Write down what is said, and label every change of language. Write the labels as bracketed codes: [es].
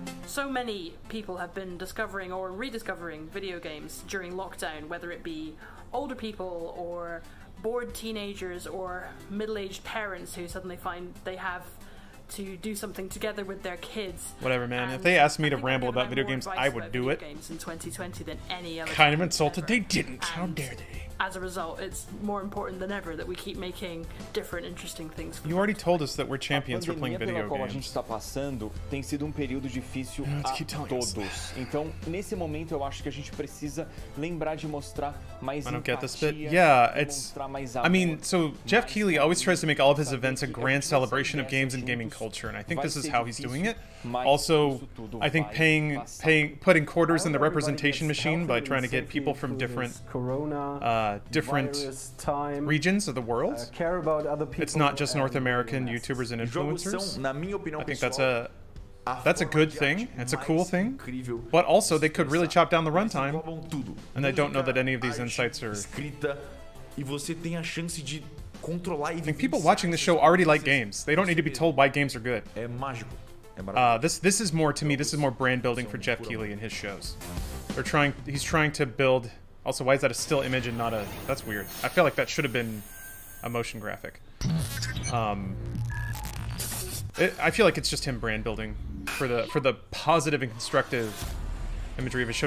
[en] So many people have been discovering or rediscovering video games during lockdown, whether it be older people or bored teenagers or middle-aged parents who suddenly find they have to do something together with their kids. Whatever, man. And if they asked me to ramble about video games, I would do it. Games in 2020 than any other. Kind of insulted ever. They didn't. And how dare they? As a result, it's more important than ever that we keep making different, interesting things. You already told us that we're champions for playing video games. [pt] A gente está passando tem sido período difícil a todos. Então, nesse momento, eu acho que a gente precisa lembrar de mostrar mais empatia. [en] I don't get this bit. Yeah, it's... I mean, so Jeff Keighley always tries to make all of his events a grand celebration of games and gaming culture, and I think this is how he's doing it. Also, I think putting quarters in the representation machine by trying to get people from different... different virus, time, regions of the world. Care about other people, it's not just North American YouTubers and influencers. [pt] Opinião, [en] I think that's a good thing. It's a cool thing. [pt] Incrível. [en] But also, they could really chop down the runtime. And I don't know that any of these insights are... [pt] Escrita, e você tem a chance de controlar e [en] I think people watching this show already like games. They don't need to be told why games are good. [pt] É mágico. [en] This is more to me. This is more brand building for Jeff Keighley and his shows. They're trying. He's trying to build. Also, why is that a still image and not a? That's weird. I feel like that should have been a motion graphic. I feel like it's just him brand building for the positive and constructive imagery of his show.